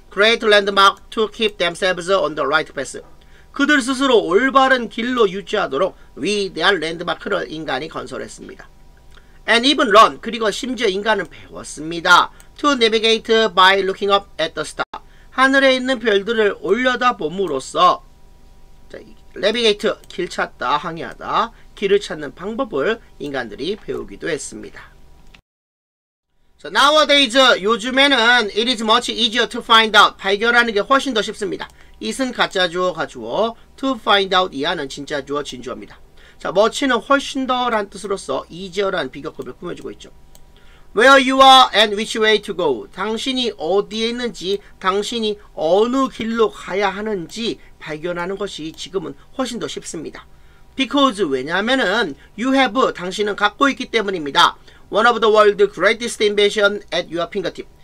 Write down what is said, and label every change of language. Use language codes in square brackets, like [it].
[en] Great landmark to keep themselves on the right path. [ko] 그들 스스로 올바른 길로 유지하도록 위대한 랜드마크를 인간이 건설했습니다. [en] And even learn, [ko] 그리고 심지어 인간은 배웠습니다. [en] To navigate by looking up at the star. [ko] 하늘에 있는 별들을 올려다봄으로써 navigate, 길 찾다, 항해하다. 길을 찾는 방법을 인간들이 배우기도 했습니다. [en] So nowadays, [ko] 요즘에는 [en] it is much easier to find out. [ko] 발견하는 게 훨씬 더 쉽습니다. is은 가짜 주어, 가주어. to find out 이하는 진짜 주어, 진주어입니다. 자, much는 훨씬 더 라는 뜻으로써 easier라는 비교급을 꾸며주고 있죠. [en] Where you are and which way to go. [ko] 당신이 어디에 있는지, 당신이 어느 길로 가야 하는지 발견하는 것이 지금은 훨씬 더 쉽습니다. [en] Because, [ko] 왜냐면은, [en] you have, [ko] 당신은 갖고 있기 때문입니다. [en] One of the world's greatest invention at your fingertip.